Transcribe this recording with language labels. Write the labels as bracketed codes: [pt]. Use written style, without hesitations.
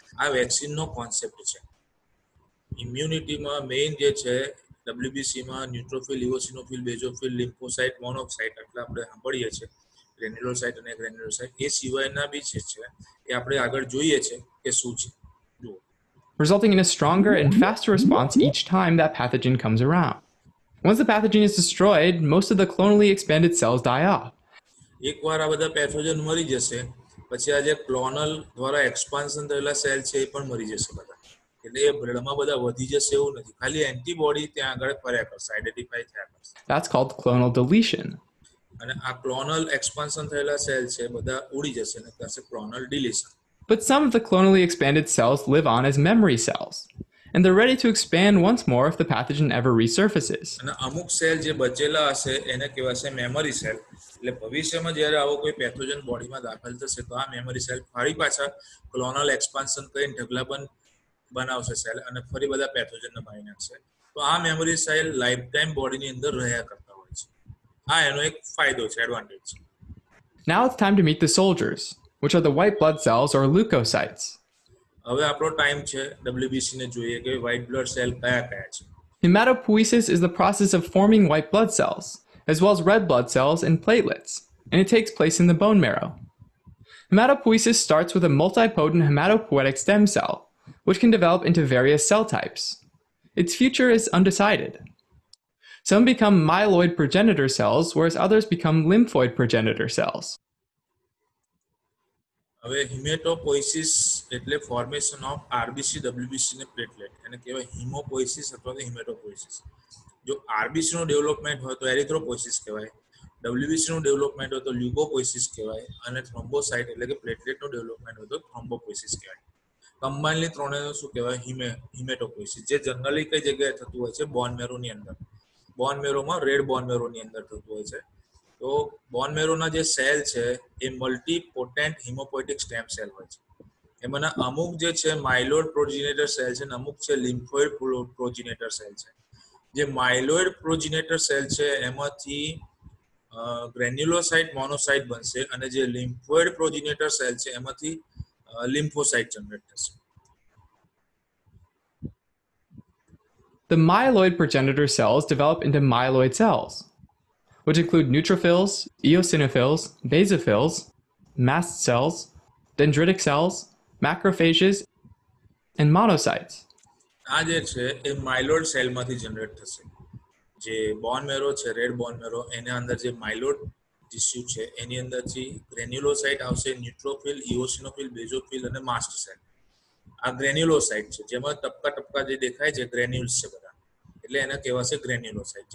[gu] આ વેક્સિનનો કોન્સેપ્ટ છે. ઇમ્યુનિટીમાં મેઇન જે છે ડબલ્યુબીસીમાં ન્યુટ્રોફિલ ઇવોસિનોફિલ બેઝોફિલ લિમ્ફોસાઇટ મોનોસાઇટ એટલે આપણે સાંભળીએ છીએ ગ્રેન્યુલોસાઇટ અને ગ્રેન્યુલોસાઇટ એ સિવાયના બી છે એ આપણે આગળ જોઈએ છીએ કે શું છે. [en] Resulting in a stronger and faster response each time that pathogen comes around. Once the pathogen is destroyed, most of the clonally expanded cells die off. [gu] એક વાર આ બધા પેથોજન મરી જશે પછી આ જે ક્લોનલ દ્વારા એક્સપાન્શન થયેલા સેલ છે એ પણ મરી જશે બધા એટલે એ બ્લડમાં બધા વધી જશે એવું નથી ખાલી એન્ટીબોડી ત્યાં આગળ ફર્યા કરશે આઈડેન્ટિફાઈ થયા કરશે. [en] That's called clonal deletion. [gu] અને આ ક્લોનલ એક્સપાન્શન થયેલા સેલ છે બધા ઉડી જશે અને થશે clonal ડિલીશન. [en] But some of the clonally expanded cells live on as memory cells, and they're ready to expand once more if the pathogen ever resurfaces. [gu] અને અમુક સેલ જે બચેલા હશે એને કહેવાય છે મેમરી સેલ. એટલે ભવિષ્યમાં જ્યારે આવો કોઈ પેથોજન બોડીમાં દાખલ થશે તો આ મેમરી સેલ ફરી પાછા ક્લોનલ એક્સપાન્શન કરીને ઢગલાબન બનાવશે સેલ અને ફરી બધા પેથોજનને મારી નાખશે. તો આ મેમરી સેલ લાઈફ ટાઈમ બોડીની અંદર રહ્યા કરતા હોય છે. આ એનો એક ફાયદો છે, એડવાન્ટેજ છે. [en] Now it's time to meet the soldiers. Which are the white blood cells or leukocytes. [gu] હવે આપણો ટાઈમ છે WBC ને જોઈએ કે વ્હાઇટ બ્લડ સેલ કયા કયા છે. [en] Hematopoiesis is the process of forming white blood cells as well as red blood cells and platelets and it takes place in the bone marrow. Hematopoiesis starts with a multipotent hematopoietic stem cell which can develop into various cell types. Its future is undecided. Some become myeloid progenitor cells whereas others become lymphoid progenitor cells. [gu] હવે હિમેટોપોઇસિસ એટલે [en] formation of RBC WBC [gu] ને platelet એને કહેવાય હિમોપોઇસિસ અથવા હિમેટોપોઇસિસ. જો RBC નું development હોય તો એરિથ્રોપોઇસિસ કહેવાય, ડબલ્યુબીસી નું ડેવલપમેન્ટ હોય તો લ્યુકોપોઇસિસ કહેવાય અને થ્રોમ્બોસાઇટ એટલે કે પ્લેટલેટ નું ડેવલપમેન્ટ હોય તો થ્રોમ્બોપોઇસિસ કહેવાય. કમ્બાઇનલી ત્રણેય શું કહેવાય? હિમેટોપોઇસિસ, જે જનરલી કઈ જગ્યાએ થતું હોય છે બોન મેરો ની અંદર, બોન મેરોમાં રેડ બોન મેરો ની અંદર થતું હોય છે. તો બોન મેરોના જે સેલ છે એ મલ્ટી પોટેન્ટ હિમોપોઇટિક સ્ટેમ સેલ હોય છે. એમાંના અમુક જે છે માયલોઇડ પ્રોજીનેટર સેલ છે અને અમુક છે લિમ્ફોઇડ પ્રોજીનેટર સેલ છે. જે માયલોઇડ પ્રોજીનેટર સેલ છે એમાંથી ગ્રેન્યુલોસાઇટ મોનોસાઇટ બનશે અને જે લિમ્ફોઇડ પ્રોજીનેટર સેલ છે એમાંથી લિમ્ફોસાઇટ જનરેટ થશે. [en] The myeloid progenitor cells develop into myeloid cells. Which include neutrophils, eosinophils, basophils, mast cells, dendritic cells, macrophages, and monocytes. [gu] આ જે છે એ માયલોઇડ સેલમાંથી જનરેટ થશે. જે બોન મેરો છે રેડ બોન મેરો એના અંદર જે માયલોઇડ ટિશ્યુ છે એની અંદરથી ગ્રેન્યુલોસાઇટ આવશે, ન્યુટ્રોફિલ, ઇઓસિનોફિલ, બેઝોફિલ અને માસ્ટ સેલ. આ ગ્રેન્યુલોસાઇટ છે જેમાં ટપકા ટપકા જે દેખાય છે ગ્રેન્યુલ્સ છે બધા એટલે એને કહેવાશે ગ્રેન્યુલોસાઇટ.